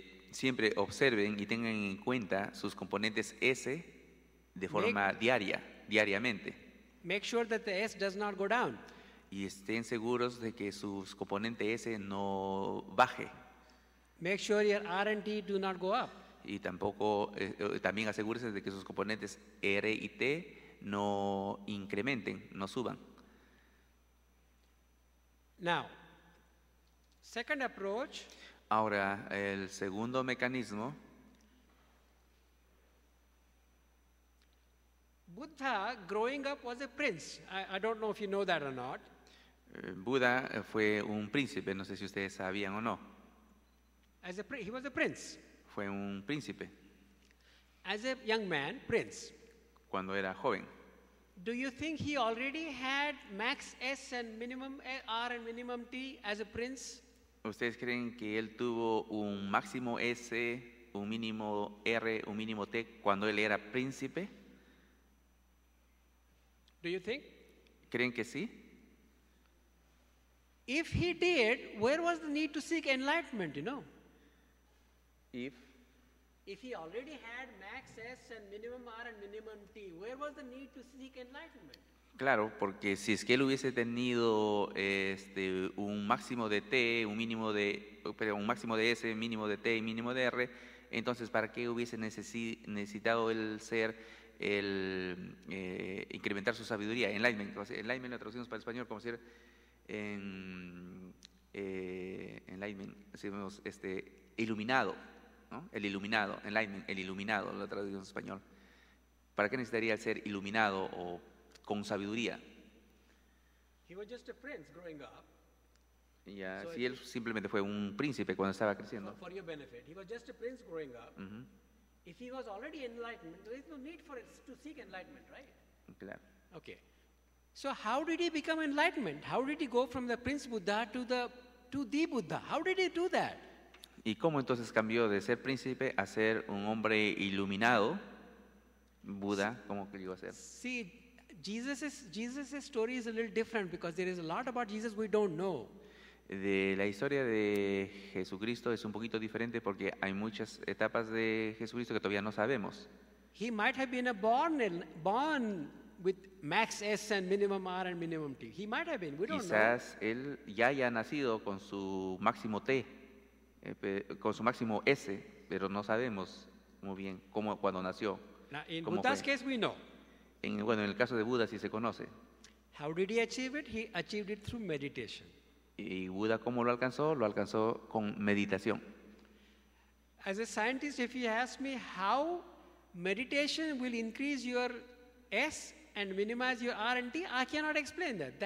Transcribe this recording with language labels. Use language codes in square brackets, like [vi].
[es] Siempre observen y tengan en cuenta sus componentes S de forma diariamente. [en] Make sure that the S does not go down. [es] Y estén seguros de que sus componentes S no baje. [en] Make sure your R&T do not go up. [es] Y tampoco, también asegúrese de que sus componentes R y T no incrementen, no suban. [en] Now, second approach. [es] Ahora, el segundo mecanismo. [en] Buddha, growing up, was a prince. I don't know if you know that or not. [es] Buddha fue un príncipe. No sé si ustedes sabían o no. [en] He was a prince. [es] Fue un príncipe. [en] As a young man, prince. [es] Cuando era joven. [en] Do you think he already had max S and minimum R and minimum T as a prince? [es] ¿Ustedes creen que él tuvo un máximo S, un mínimo R, un mínimo T cuando él era príncipe? [en] Do you think? [es] ¿Creen que sí? [en] If he did, where was the need to seek enlightenment, you know? If he already had max S and minimum R and minimum T, where was the need to seek enlightenment? [es] Claro, porque si es que él hubiese tenido un máximo de T, un máximo de S, mínimo de T y mínimo de R, entonces ¿para qué hubiese necesitado él ser el incrementar su sabiduría, enlightenment. Enlightenment lo traducimos para el español como decir enlightenment, decimos iluminado, ¿no? El iluminado, enlightenment, el iluminado, lo traducimos en español. ¿Para qué necesitaría el ser iluminado o con sabiduría? [en] He was just a prince growing up. [es] Ya, yeah, so si él simplemente fue un príncipe cuando estaba creciendo. [en] For your benefit, he was just a prince growing up. Mm-hmm. If he was already enlightened, there is no need for us to seek enlightenment, right? [es] Claro. [en] Okay. So how did he become enlightened? How did he go from the prince Buddha to the Buddha? How did he do that? [es] ¿Y cómo entonces cambió de ser príncipe a ser un hombre iluminado, Buda? ¿Cómo que llegó a ser? [en] See, Jesus's story is a little different because there is a lot about Jesus we don't know. [es] De la historia de Jesucristo es un poquito diferente porque hay muchas etapas de Jesucristo que todavía no sabemos. [en] He might have been born with max S and minimum R and minimum T. He might have been. We don't know. [es] Quizás él ya haya nacido con su máximo T, con su máximo S, pero no sabemos muy bien cómo cuando nació. [en] Now, in Buddha's case, we know. [es] En el caso de Buda sí se conoce. [en] How did he achieve it? He achieved it through meditation. [es] ¿Y Buda cómo lo alcanzó? Lo alcanzó con meditación. [en] As a scientist, if you ask me how meditation will increase your S and minimize your R and T, I cannot explain that.